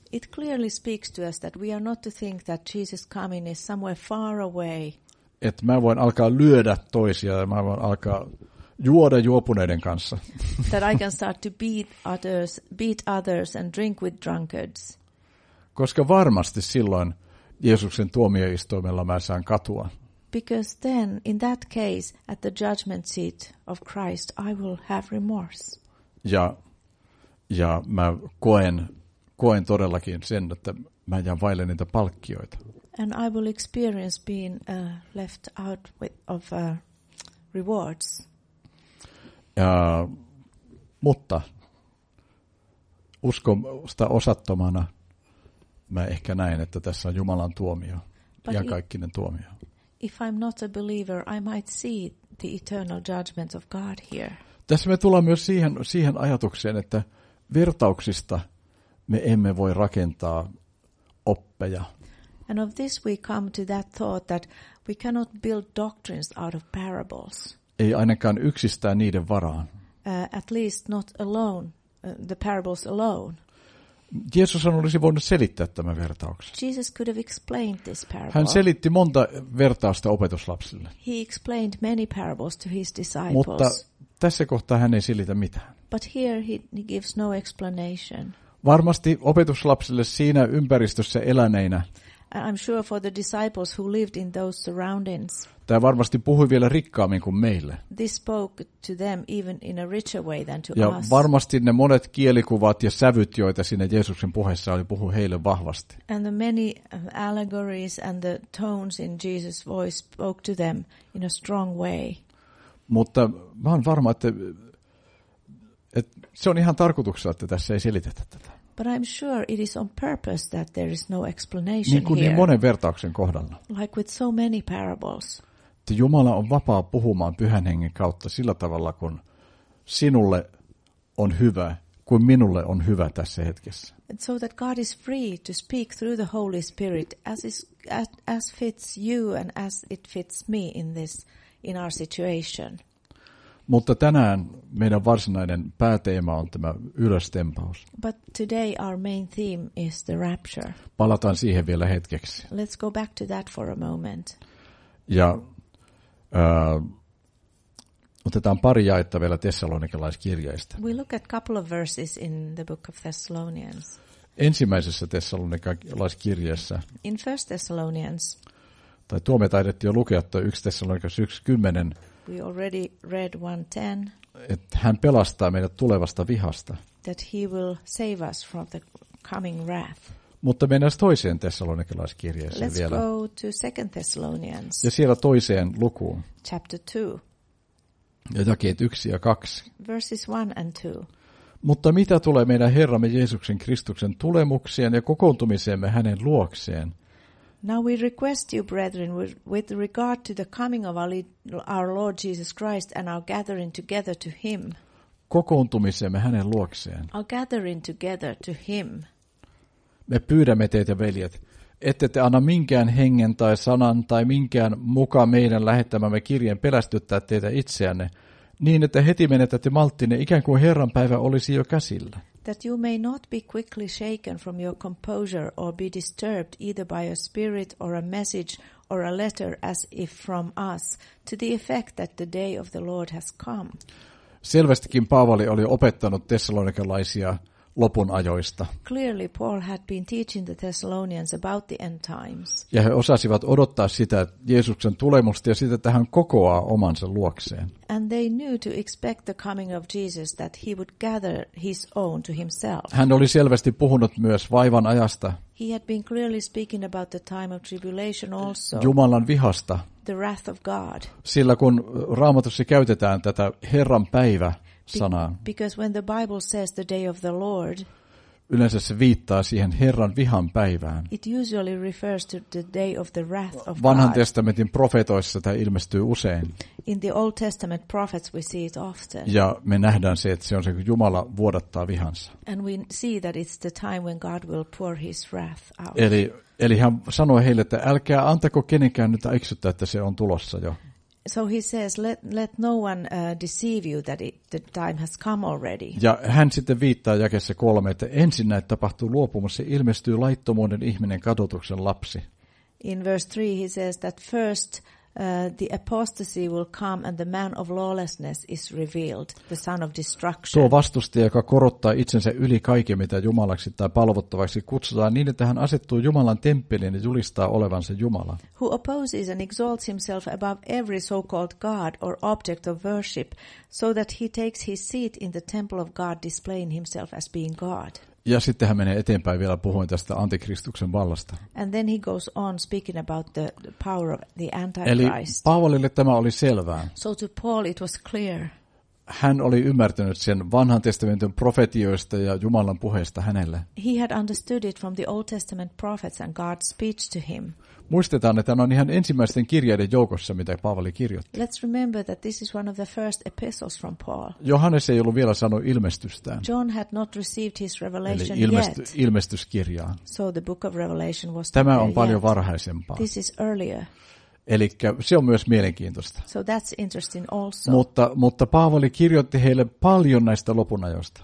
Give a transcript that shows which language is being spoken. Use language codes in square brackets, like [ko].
[en] It clearly speaks to us that we are not to think that Jesus coming is somewhere far away. [fi] Että mä voin alkaa lyödä toisia ja mä voin alkaa juoda juopuneiden kanssa. [en] That I can start to beat others and drink with drunkards. [fi] Koska varmasti silloin Jeesuksen tuomioistuimella mä saan katua. [en] Because then in that case at the judgment seat of Christ I will have remorse. [fi] Ja mä koen todellakin sen, että mä jään vaille niitä palkkioita. [en] And I will experience being left out of rewards. [fi] Mutta uskon sitä osattomana mä ehkä näen, että tässä on Jumalan tuomio, iankaikkinen tuomio. [en] If I'm not a believer, I might see the eternal judgment of God here. [fi] Tässä me tullaan myös siihen ajatukseen, että vertauksista me emme voi rakentaa oppeja. [en] And of this we come to that thought that we cannot build doctrines out of parables. [fi] Ei ainakaan yksistään niiden varaan. [en] At least not alone, the parables alone. [fi] Jeesushan olisi voinut selittää tämän vertauksen. [en] Jesus could have explained this parable. [fi] Hän selitti monta vertausta opetuslapsille. [en] He explained many parables to his disciples. [fi] Mutta tässä kohtaa hän ei selitä mitään. [en] But here he gives no explanation. [fi] Varmasti opetuslapsille siinä ympäristössä eläneinä. [en] I'm sure for the disciples who lived in those surroundings. [fi] Tämä varmasti puhui vielä rikkaammin kuin meille. [en] This spoke to them even in a richer way than to us. [fi] Ja varmasti ne monet kielikuvat ja sävyt, joita siinä Jeesuksen puheessa oli, puhui heille vahvasti. [en] And the many allegories and the tones in Jesus' voice spoke to them in a strong way. [fi] Mutta mä oon varma, että se on ihan tarkoituksella, että tässä ei selitetä tätä. [en] But I'm sure it is on purpose that there is no explanation [fi] niin kuin [en] here. [fi] Niin monen vertauksen kohdalla. [en] Like with so many parables. [fi] Että Jumala on vapaa puhumaan Pyhän Hengen kautta sillä tavalla, kun sinulle on hyvä, kuin minulle on hyvä tässä hetkessä. [en] And so that God is free to speak through the Holy Spirit as fits you and as it fits me in our situation. [fi] Mutta tänään meidän varsinainen pääteema on tämä ylöstempaus. [en] But today our main theme is the rapture. [fi] Palataan siihen vielä hetkeksi. [en] Let's go back to that for a moment. [fi] Ja otetaan pari jaetta vielä tessalonikalaiskirjeistä. [en] We look at a couple of verses in the book of Thessalonians. [fi] Ensimmäisessä tessalonikalaiskirjeessä. [en] In First Thessalonians. [fi] Tai Tuomi taidettiin jo lukea, että [en] 1 Thessalonians 1:10. We already read 1:10. [fi] Että hän pelastaa meidät tulevasta vihasta. [en] That he will save us from the coming wrath. [fi] Mutta mennään toiseen tessalonikalaiskirjeeseen vielä. [en] Let's go to 2 Thessalonians. [fi] Ja siellä toiseen lukuun. [en] Chapter 2. [fi] Ja jakeet 1 ja 2. [en] Verses 1 and 2. [fi] Mutta mitä tulee meidän Herramme Jeesuksen Kristuksen tulemukseen ja kokoontumiseemme hänen luokseen? [en] Now we request you, brethren, with regard to the coming of our Lord Jesus Christ and our gathering together to him. [fi] Kokoontumisemme hänen luokseen. [en] Our gathering together to him. [fi] Me pyydämme teitä, veljet, ette te anna minkään hengen tai sanan tai minkään mukaan meidän lähettämämme kirjeen pelästyttää teitä itseänne, niin että heti menetätte malttinne ikään kuin Herran päivä olisi jo käsillä. [en] That you may not be quickly shaken from your composure or be disturbed either by a spirit or a message or a letter as if from us, to the effect that the day of the Lord has come. [fi] Selvästikin Paavali oli opettanut tessalonikalaisia lopun ajoista. [en] Clearly Paul had been teaching the Thessalonians about the end times. [fi] Ja he osasivat odottaa sitä Jeesuksen tulemusta ja sitä, että hän kokoaa omansa luokseen. [en] And they knew to expect the coming of Jesus that he would gather his own to himself. [fi] Hän oli selvästi puhunut myös vaivan ajasta. [en] He had been clearly speaking about the time of tribulation also. [fi] Jumalan vihasta. [en] The wrath of God. [fi] Sillä kun Raamatussa käytetään tätä Herran päivä sanaa. [en] Because when the Bible says the day of the Lord, [fi] yleensä se viittaa siihen Herran vihan päivään. [en] It usually refers to the day of the wrath of God. [fi] Vanhan testamentin profeetoissa tämä ilmestyy usein. [en] In the Old Testament prophets we see it often. [fi] Ja me nähdään se, että se on se, kun Jumala vuodattaa vihansa. [en] And we see that it's the time when God will pour his wrath out. [fi] Eli hän sanoi heille, että älkää antako kenenkään nyt eksyttää, että se on tulossa jo. [en] So he says, let no one deceive you that the time has come already. [fi] Ja hän sitten viittaa jakeessa 3, että ensin näet tapahtuu luopumus ja ilmestyy laittomuuden ihminen, kadotuksen lapsi. [en] In verse 3 he says that first the apostasy will come and the man of lawlessness is revealed, the son of destruction. [fi] Tuo vastustaja, joka korottaa itsensä yli kaiken, mitä jumalaksi tai palvottavaksi kutsutaan, niin että hän asettuu Jumalan temppeliin ja julistaa olevansa Jumala. [en] Who opposes and exalts himself above every so-called god or object of worship, so that he takes his seat in the temple of God, displaying himself as being God. [fi] Ja sitten hän menee eteenpäin vielä puhuen tästä antikristuksen vallasta. [en] And then he goes on speaking about the power of the antichrist. [fi] Eli Paavolille tämä oli selvää. [en] So to Paul it was clear. [fi] Hän oli ymmärtänyt sen vanhan testamentin profetioista ja Jumalan puheesta hänelle. [en] He had understood it from the Old Testament prophets and God's speech to him. [fi] Muistetaan, että hän on ihan ensimmäisten kirjeiden joukossa, mitä Paavali kirjoitti. [en] Let's remember that this is one of the first epistles from Paul. [fi] Johannes ei ollut vielä saanut ilmestystään. [en] John had not received his revelation yet. [fi] Ilmestyskirjaa. [en] So the book of Revelation was not there yet. [fi] Tämä on paljon varhaisempaa. [en] This is earlier. [fi] Eli se on myös mielenkiintoista. [en] So that's interesting also. [fi] Mutta Paavali kirjoitti heille paljon näistä lopunajoista.